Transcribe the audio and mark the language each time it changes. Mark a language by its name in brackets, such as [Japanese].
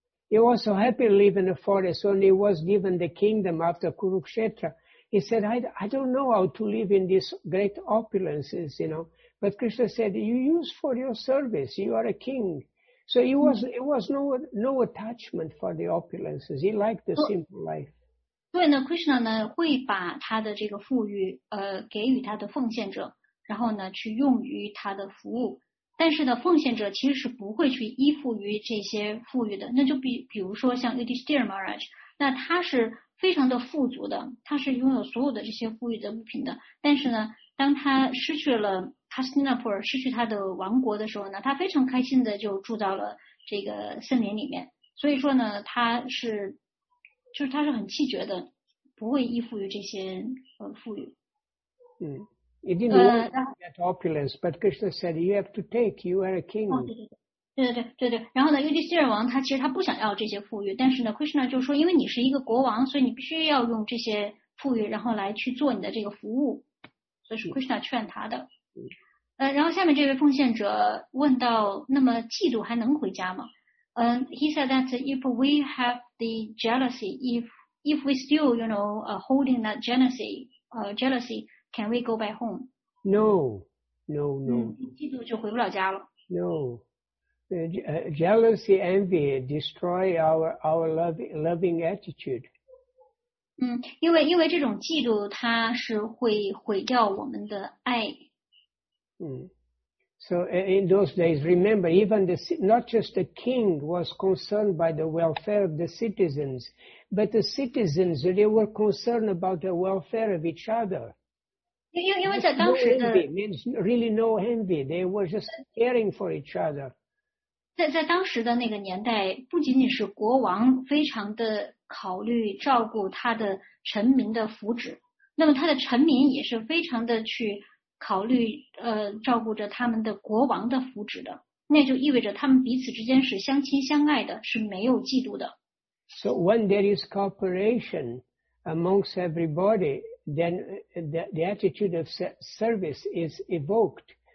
[English] He was so happy to live in a forest when he was given the kingdom after Kurukshetra. He said, I don't know how to live in these great opulences, you know. But Krishna said, you use for your service. You are a king. So it was no attachment for the opulences. He liked the simple life. [Chinese] 对呢 ，Krishna 呢会把他的这个富裕给予他的奉献者，然后呢去用于他的服务。但是呢，奉献者其实是不会去依附于这些富裕的。那就比如说像 Yudhisthira Maharaj， 那他是非常的富足的，他是拥有所有的这些富裕的物品的。但是呢，当他失去了Hastinapur 失去他的王国的时候呢，他非常开心的就住到了这个森林里面。所以说呢，他是很气绝的，不会依附于这些富裕。 [English] He didn't want to get opulence, but Krishna said, "You have to take. You are a king." [Chinese] 对。然后呢，Yudhisthira王他其实他不想要这些富裕，但是呢 ，Krishna 就说，因为你是一个国王，所以你必须要用这些富裕，然后来去做你的这个服务。所以是 Krishna 劝他的。然后下面这位奉献者问到，那么嫉妒还能回家吗？ [English] He said that if we have the jealousy, if we still, you know, holding that jealousy, can we go back home? No. [Chinese] 嫉妒就回不了家了。 [English] No. Jealousy, envy destroy our loving attitude. [Chinese] 因为这种嫉妒它是会毁掉我们的爱。 [English] So in those days, remember, even not just the king was concerned by the welfare of the citizens, but the citizens, they were concerned about the welfare of each other. Means really no envy. They were just caring for each other. [Chinese] 在当时的那个年代，不仅仅是国王非常的考虑照顾他的臣民的福祉，那么他的臣民也是非常的去考虑照顾着他们的国王的福祉的，那就意味着他们彼此之间是相亲相爱的，是没有嫉妒的。 [English] So when there is cooperation amongst everybody, then the attitude of service is evoked.